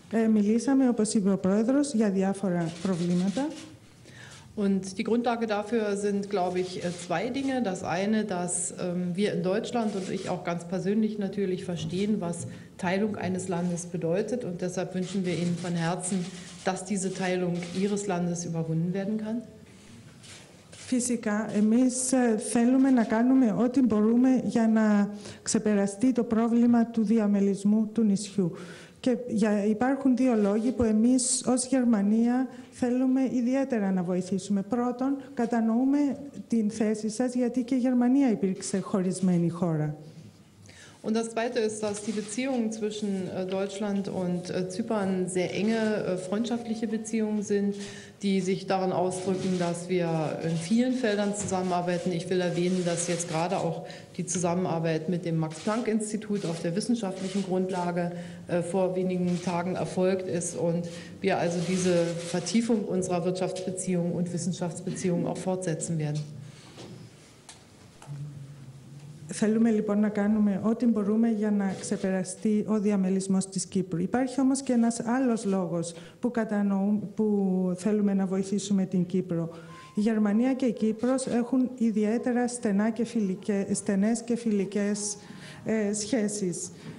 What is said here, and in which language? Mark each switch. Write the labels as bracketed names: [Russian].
[Greek] Μιλήσαμε, όπως είπε ο Πρόεδρος, για διάφορα προβλήματα. [German] Und die Grundlage dafür sind, glaube ich, zwei Dinge. Das eine, dass wir in Deutschland und ich auch ganz persönlich natürlich verstehen, was Teilung eines Landes bedeutet. Und deshalb wünschen wir Ihnen von Herzen, dass diese Teilung Ihres Landes überwunden werden kann. [Greek] Φυσικά, εμείς θέλουμε να κάνουμε ό,τι μπορούμε για να ξεπεραστεί το πρόβλημα του διαμελισμού του νησιού. Και υπάρχουν δύο λόγοι που εμείς ως Γερμανία θέλουμε ιδιαίτερα να βοηθήσουμε. Πρώτον, κατανοούμε την θέση σας, γιατί και η Γερμανία υπήρξε χωρισμένη χώρα. [German] Und das Zweite ist, dass die Beziehungen zwischen Deutschland und Zypern sehr enge, freundschaftliche Beziehungen sind, die sich darin ausdrücken, dass wir in vielen Feldern zusammenarbeiten. Ich will erwähnen, dass jetzt gerade auch die Zusammenarbeit mit dem Max-Planck-Institut auf der wissenschaftlichen Grundlage vor wenigen Tagen erfolgt ist und wir also diese Vertiefung unserer Wirtschaftsbeziehungen und Wissenschaftsbeziehungen auch fortsetzen werden. [Greek] Θέλουμε λοιπόν να κάνουμε ό,τι μπορούμε για να ξεπεραστεί ο διαμελισμός της Κύπρου. Υπάρχει όμως και ένας άλλος λόγος που θέλουμε να βοηθήσουμε την Κύπρο. Η Γερμανία και η Κύπρος έχουν ιδιαίτερα στενές και φιλικές σχέσεις.